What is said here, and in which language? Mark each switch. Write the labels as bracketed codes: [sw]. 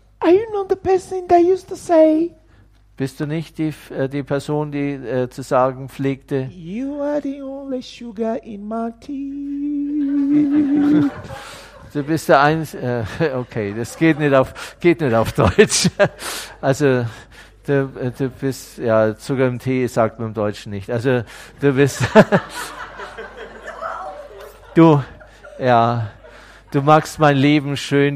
[en] Are you not the person that used to say? [de] Bist du nicht die Person, die zu sagen pflegte? [en] You are the only sugar in my tea. [de] Du bist der Einzige. Okay, das geht nicht auf Deutsch. Also du bist ja Zucker im Tee, sagt man im Deutschen nicht. Also du bist du machst mein Leben schön.